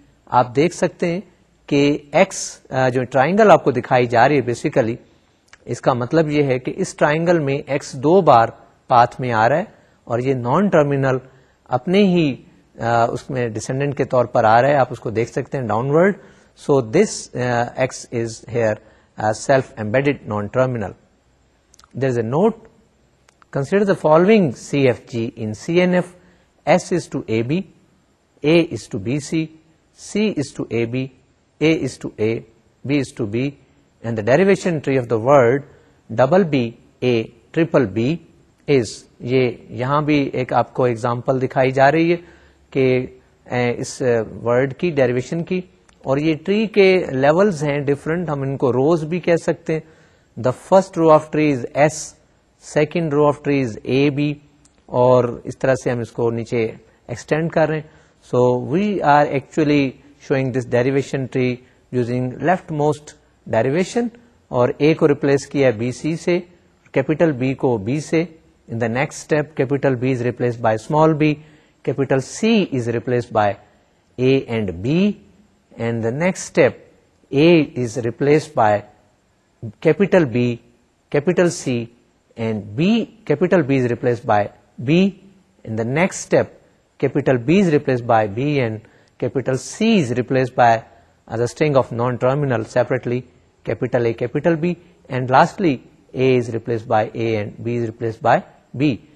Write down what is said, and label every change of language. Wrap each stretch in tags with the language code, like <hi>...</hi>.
<ur>آپ دیکھ سکتے ہیں کہ ایکس جو ٹرائنگل آپ کو دکھائی جا رہی ہے بیسیکلی اس کا مطلب یہ ہے کہ اس ٹرائنگل میں ایکس دو بار پاتھ میں آ رہا ہے, اور یہ نان ٹرمینل اپنے ہی اس میں ڈسینڈنٹ کے طور پر آ رہا ہے, آپ اس کو دیکھ سکتے ہیں down word.</ur> <en>So this X is here self embedded non terminal. There is a note, consider the following C F G in C N F, S is to A B, A is to B C, C is to A B, A is to A, B is to B, and the derivation tree of the word double B A triple B is,</en> <ur>یہ یہاں بھی ایک آپ کو example دکھائی جا رہی ہے کہ اس ورڈ کی ڈیریویشن کی, اور یہ ٹری کے لیولز ہیں ڈفرنٹ, ہم ان کو روز بھی کہہ سکتے ہیں.</ur> <en>the first row of tree is S, second row of tree is A B,</en> <ur>اور اس طرح سے ہم اس کو نیچے ایکسٹینڈ کر رہے ہیں.</ur> <en>so we are actually showing this derivation tree using left most derivation,</en> <ur>اور اے کو ریپلیس کیا بی سی سے, کیپیٹل بی کو بی سے.</ur> <en>In the next step capital B is replaced by small B, capital C is replaced by A and B, and the next step A is replaced by capital B, capital C, and B, capital B is replaced by B, and the next step capital B is replaced by B, and capital C is replaced by as a string of non-terminal separately capital A, capital B, and lastly A is replaced by A and B is replaced by B.</en>